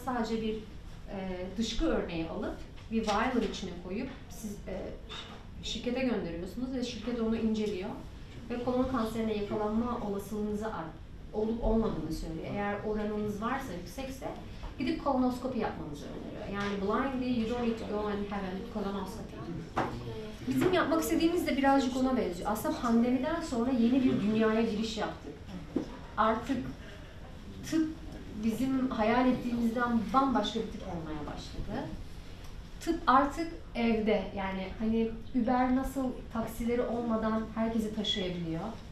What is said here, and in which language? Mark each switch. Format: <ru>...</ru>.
<tr>Sadece bir dışkı örneği alıp bir vial içine koyup siz şirkete gönderiyorsunuz ve şirket onu inceliyor ve kolon kanserine yakalanma olasılığınızı olup olmadığını söylüyor. Eğer oranınız varsa, yüksekse gidip kolonoskopi yapmanızı öneriyor.</tr> <en>Yani blindly you don't need to go and have a colonoscopy.</en> <tr>Bizim yapmak istediğimiz de birazcık ona benziyor. Aslında pandemiden sonra yeni bir dünyaya giriş yaptık. Artık tıp bizim hayal ettiğimizden bambaşka bir tıp olmaya başladı. Tıp artık evde, yani hani Uber nasıl taksileri olmadan herkesi taşıyabiliyor?</tr>